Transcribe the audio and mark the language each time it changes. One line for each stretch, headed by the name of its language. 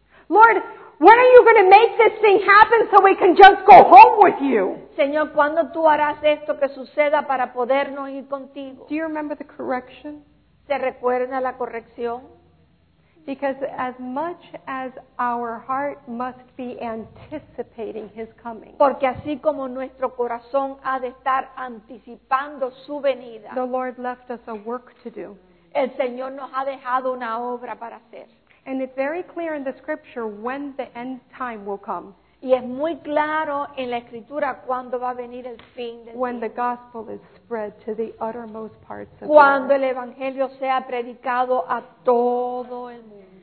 English: Lord, when are you going to make this thing happen so we can just go home with you?
Spanish: Señor, ¿cuándo tú harás esto que suceda para podernos ir contigo?
English: Do you remember the correction?
Spanish: ¿Se recuerda la corrección?
English: Because as much as our heart must be anticipating his coming,
Spanish: porque así como nuestro corazón ha de estar anticipando su venida,
English: the Lord left us a work to do.
Spanish: El Señor nos ha dejado una obra para hacer.
English: And it's very clear in the scripture when the end time will come.
Spanish: Y es muy claro en la escritura cuándo va a venir el fin del
English: when the gospel is spread to the uttermost parts of
Spanish: cuando
English: the world.
Spanish: El evangelio sea predicado a todo el mundo.